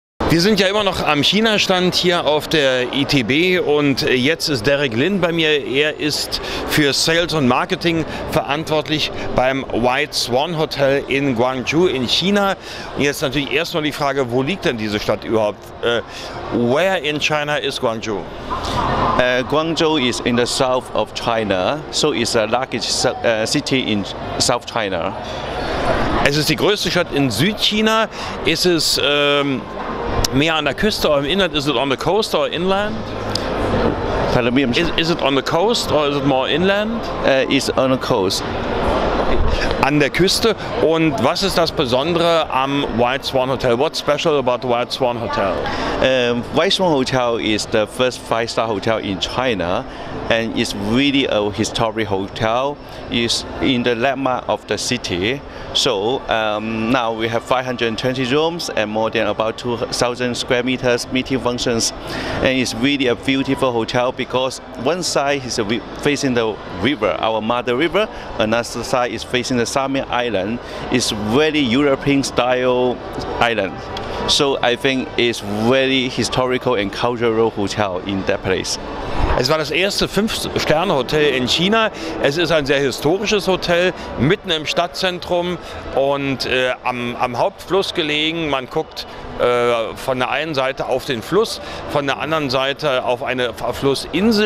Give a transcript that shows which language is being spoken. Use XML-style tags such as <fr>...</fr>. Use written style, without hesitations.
<de>Wir sind ja immer noch am China-Stand hier auf der ITB und jetzt ist Derek Lin bei mir. Er ist für Sales und Marketing verantwortlich beim White Swan Hotel in Guangzhou in China. Und jetzt natürlich erstmal die Frage, wo liegt denn diese Stadt überhaupt?</de> <en>Where in China is Guangzhou? Guangzhou is in the south of China, so it's the largest city in South China.</en> <de>Es ist die größte Stadt in Südchina. Ist es mehr an der Küste oder im Inland?</de> <en>Is it on the coast or inland? Pardon me, is it on the coast or is it more inland? It's on the coast.</en> <de>An der Küste. Und was ist das Besondere am White Swan Hotel?</de> <en>What's special about the White Swan Hotel? White Swan Hotel is the first five-star hotel in China and it's really a historic hotel. It's in the landmark of the city. So now we have 520 rooms and more than about 2,000 square meters meeting functions. And it's really a beautiful hotel because one side is facing the river, our mother river, another side is facing the Sami Island. It's very European style island. So I think it's very historical and cultural hotel in that place.</en> <de>Es war das erste 5-Sterne-Hotel in China. Es ist ein sehr historisches Hotel, mitten im Stadtzentrum und am Hauptfluss gelegen. Man guckt von der einen Seite auf den Fluss, von der anderen Seite auf eine Flussinsel.</de>